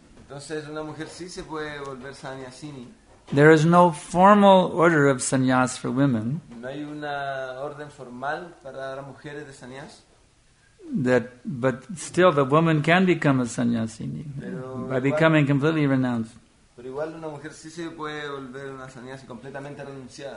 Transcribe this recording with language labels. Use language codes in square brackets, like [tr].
[es] Entonces, una mujer sí se puede volver sannyasini. [en] There is no formal order of sannyas for women. [es] No hay una orden formal para las mujeres de sannyas. [en] But still, the woman can become a sannyasini becoming completely renounced. [es] Pero igual una mujer sí se puede volver una sannyasi completamente renunciada.